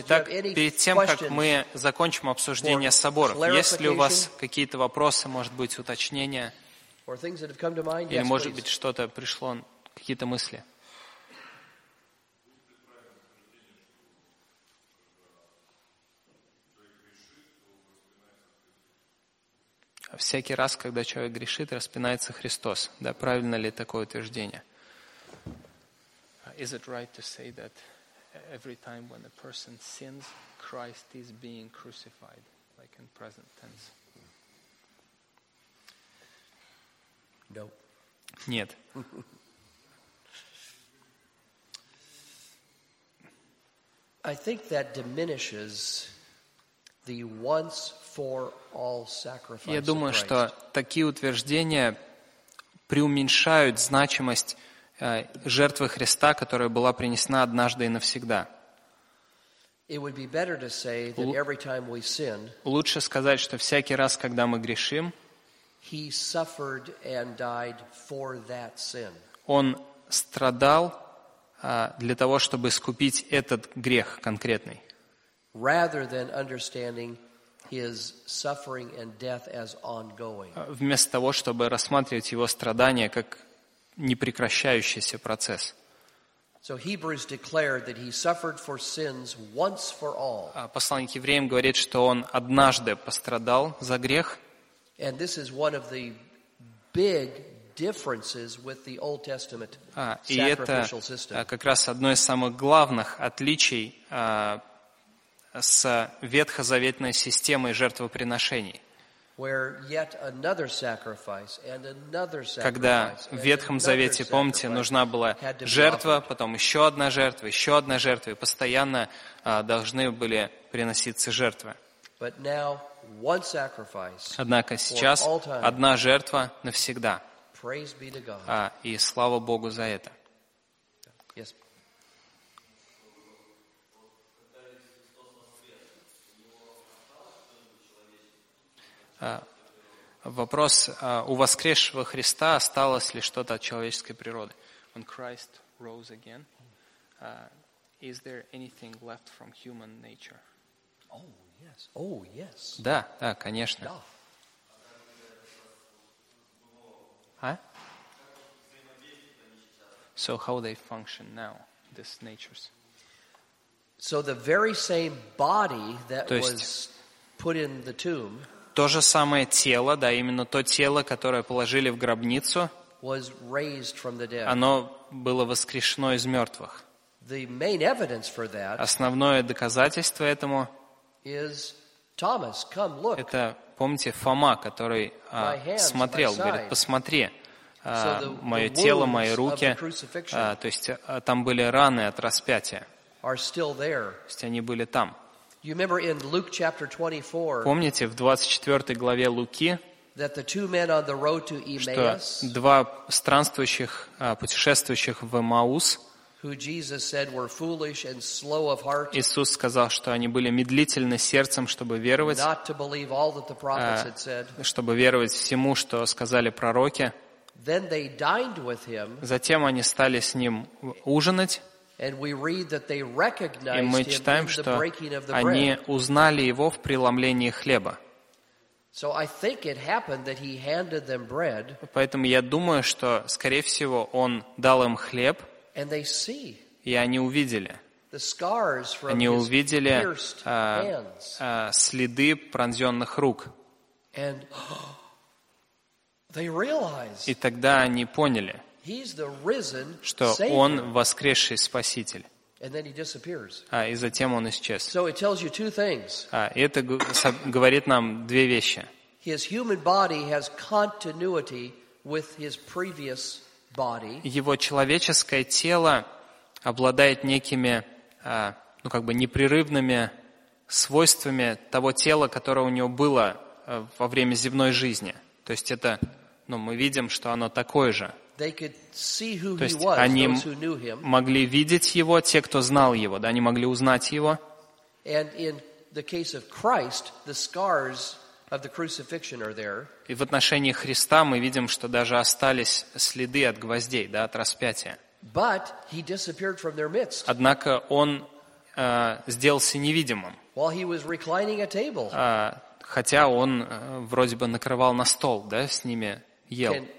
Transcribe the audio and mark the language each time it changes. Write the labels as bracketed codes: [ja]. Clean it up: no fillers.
[ru] итак, перед тем, как мы закончим обсуждение соборов, есть ли у вас какие-то вопросы, может быть, уточнения, или, может быть, что-то пришло, какие-то мысли? Всякий раз, когда человек грешит, распинается Христос. Да, правильно ли такое утверждение? [en] Is it right to say that every time when a person sins, Christ is being crucified? like in present tense. No. [ru] Нет. [en] I think that diminishes the once for all sacrifice. [ru] Я думаю, что такие утверждения преуменьшают значимость жертвы Христа, которая была принесена однажды и навсегда. [en] It would be better to say that every time we sin, [ru] лучше сказать, что всякий раз, когда мы грешим, [en] he suffered and died for that sin. [ru] Он страдал для того, чтобы искупить этот грех конкретный. [en] Rather than understanding his suffering and death as ongoing. [ru] Вместо того, чтобы рассматривать его страдания как непрекращающийся процесс. [en] So Hebrews declared that he suffered for sins once for all. [ru] Послание к евреям говорит, что он однажды пострадал за грех. [en] And this is one of the big differences with the Old Testament sacrificial system. [ru] И это как раз одно из самых главных отличий с ветхозаветной системой жертвоприношений. [en] Where yet another sacrifice and another sacrifice. [ru] Когда в Ветхом Завете, помните, нужна была жертва, потом еще одна жертва, и постоянно должны были приноситься жертвы. [en] But now one sacrifice. [ru] Однако сейчас одна жертва навсегда. [en] Praise be to God. [ru] И слава Богу за это. [en] Yes. [ru] Вопрос, у воскресшего Христа осталось ли что-то от человеческой природы? [en] When Christ rose again, is there anything left from human nature? Oh, yes. Oh, yes. [ru] Да, да, конечно. Да. [en] So how they function now, these natures? So the very same body that was put in the tomb. [ru] То же самое тело, да, именно то тело, которое положили в гробницу, оно было воскрешено из мертвых. Основное доказательство этому это, помните, Фома, который смотрел, говорит, посмотри, мое тело, мои руки, то есть там были раны от распятия, то есть они были там. [en] You remember in Luke chapter 24? [ru] Помните в 24 главе Луки, [en] that the two men on the road to Emmaus, [ru] что два странствующих путешествующих в Эммаус, [en] who Jesus said were foolish and slow of heart, [ru] Иисус сказал, что они были медлительны сердцем, чтобы веровать, [en] not to believe all that the prophets had said, [ru] чтобы веровать всему, что сказали пророки. [en] Then they dined with him. [ru] Затем они стали с ним ужинать. [en] And we read that they recognized him in the breaking of the bread. [ru] И мы читаем, что они узнали его в преломлении хлеба. [en] So I think it happened that he handed them bread. [ru] Поэтому я думаю, что, скорее всего, он дал им хлеб. [en] And they see. [ru] И они увидели. [en] The scars from his pierced hands. [ru] Следы пронзенных рук. [en] And they realized. [ru] И тогда они поняли. [en] He's the risen Savior. [ru] Что он воскресший Спаситель. [en] And then he disappears. [ru] И затем он исчез. [en] So it tells you two things. [ru] Это говорит нам две вещи. [en] His human body has continuity with his previous body. [ru] Его человеческое тело обладает некими, ну как бы непрерывными свойствами того тела, которое у него было во время земной жизни. То есть это, ну мы видим, что оно такое же. [en] They could see who [ru] То есть [en] he was, [ru] они [en] those who knew him. [ru] Могли видеть его, те, кто знал его, да, они могли узнать его. [en] And in the case of Christ, the scars of the crucifixion are there. [ru] И в отношении Христа мы видим, что даже остались следы от гвоздей, да, от распятия. [en] But he disappeared from their midst. [ru] Однако он сделался невидимым. [en] While he was reclining at table. [ru] Хотя он вроде бы накрывал на стол, да, с ними ел.